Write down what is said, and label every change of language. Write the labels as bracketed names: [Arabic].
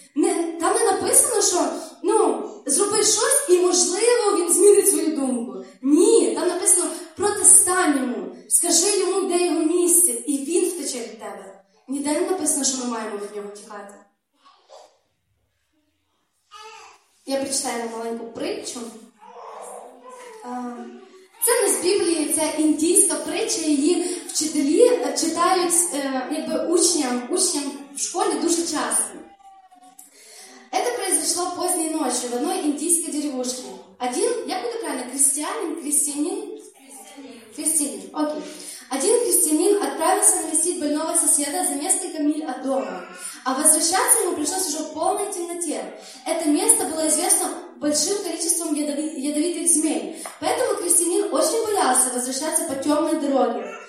[Ukrainian] Не, там не написано, що ну, зроби щось, і можливо він змінить свою думку. Ні, там написано, протистань йому. Скажи йому, де його місце, і він втече від тебе. Ніде не написано, що ми маємо від нього тікати. Я прочитаю вам маленьку притчу. Це не з Біблії, це індійська притча, її вчителі читають якби учням в школі дуже часто. Це произошло поздній ночі в одній індійській деревушці. Один, як буде правильно, крестьянин. Окей. [Russian] Один крестьянин отправился навестить больного соседа за несколько миль от дома. А возвращаться ему пришлось уже в полной темноте. Это место было известно большим количеством ядовитых змей. Поэтому крестьянин очень боялся возвращаться по темной дороге.